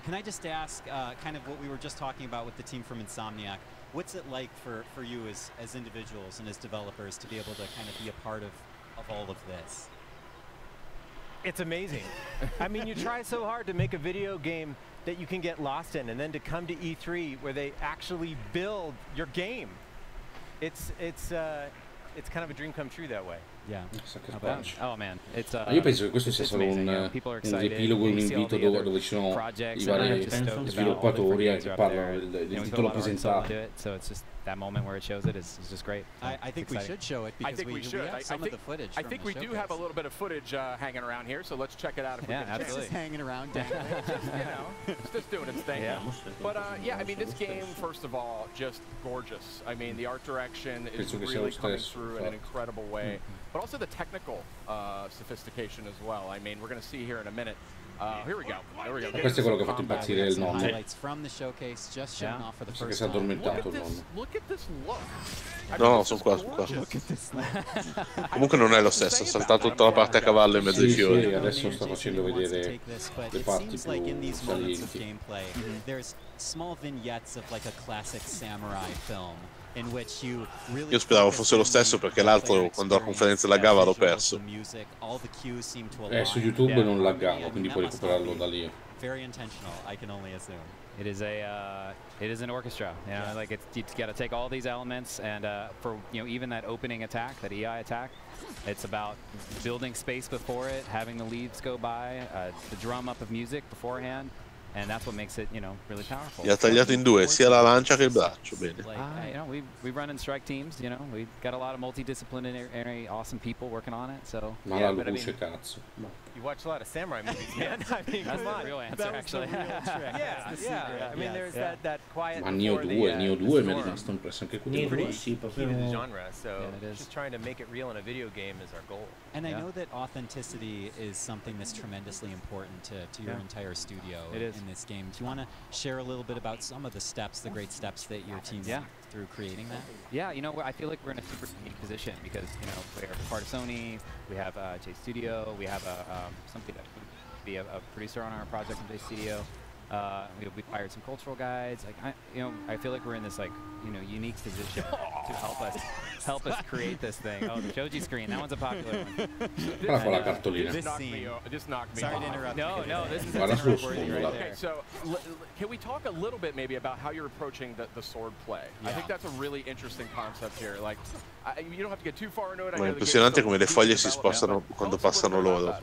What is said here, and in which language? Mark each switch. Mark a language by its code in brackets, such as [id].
[en] Can I just ask, kind of what we were just talking about with the team from Insomniac, what's it like for you as individuals and as developers to be able to kind of be a part of all of this? It's amazing. I mean, you try so hard to make a video game that you can get lost in, and then to come to E3 where they actually build your game, it's kind of a dream come true that way. Yeah. Oh man, it's [it] io penso che questo sia solo un riepilogo, un invito dove ci sono i vari sviluppatori che parlano del titolo presentato. [en] So it's just that moment where it shows it is just great. I think we should show it because we have some of the footage. I think we do have a little bit of footage hanging around here, so let's check it out. Yeah, absolutely. Just hanging around, just doing its thing. Yeah. But I mean, this game, first of all, just gorgeous. I mean, the art direction is really coming through in an incredible way. But also the technical sophistication as well. I mean, we're going to see here in a minute. Here we go. [it] Questo è quello che ha fatto impazzire il nonno. [en] Highlights from the showcase just showing off for the first time. Look at this look. [it] Sono qua. Comunque non è lo stesso, ha saltato tutta la parte a cavallo in mezzo ai fiori. Sì, adesso sto facendo vedere le parti più salienti. [en] There's small vignettes of like a classic samurai film. In which you really [it] io speravo fosse lo stesso perché l'altro quando la conferenza laggava l'ho perso. Su YouTube non laggavo, quindi puoi recuperarlo da lì. [en] Very intentional, I can only assume. It is an orchestra, you know, like it's got to take all these elements and for you know even that opening attack, that EI attack, it's about building space before it, having the leaves go by, the drum up of music beforehand. And that's what makes it, you know, really powerful. [it] Gli ha tagliato in due, sia la lancia che il braccio, bene. [en] You know, we run in strike teams, you know, we got a lot of multidisciplinary awesome people working on it, so. [it] Ma la luce, cazzo. [en] You watch a lot of samurai movies, man. That's not a real answer, actually. Yeah. I mean, there's that quiet. [it] Ma Neo 2 mi è rimasto impresso anche quello. [en] Genre, so just trying to make it real in a video game is our goal. And I know that authenticity is something that's tremendously important to your entire studio in this game. Do you want to share a little bit about some of the steps, the great steps that your team's through creating that? Yeah, you know, I feel like we're in a super unique position because, you know, we're part of Sony, we have J Studio, we have something that would be a producer on our project from J Studio. We hired some cultural guides. I feel like we're in this like, you know, unique position to help us create this thing. Oh, the Joji screen, that one's a popular one. [it] Guarda la cartolina. [en] Sorry to interrupt. Can we talk a little bit maybe about how you're approaching the sword play? Yeah. I think that's a really interesting concept here. Like, you don't have to get too far into it. [it] Ma è impressionante come le foglie si spostano quando passano loro.